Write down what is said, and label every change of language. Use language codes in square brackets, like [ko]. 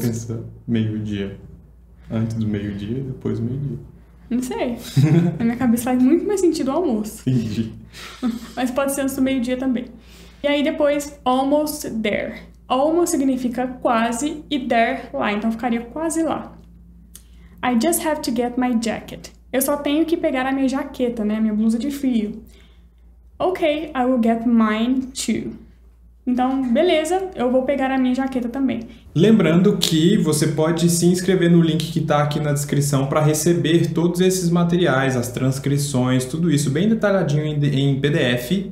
[pt] Por que você pensa meio-dia? Antes do meio-dia e depois do meio-dia? Não sei. Na minha cabeça faz muito mais sentido o almoço. Entendi. Mas pode ser antes do meio-dia também. E aí depois, [en] almost there. [pt] Almost significa quase e there lá, então ficaria quase lá. [en] I just have to get my jacket. [pt] Eu só tenho que pegar a minha jaqueta, né? A minha blusa de frio. [en] Ok, I will get mine too. [pt] Então, beleza, eu vou pegar a minha jaqueta também. Lembrando que você pode se inscrever no link que está aqui na descrição para receber todos esses materiais, as transcrições, tudo isso bem detalhadinho em PDF.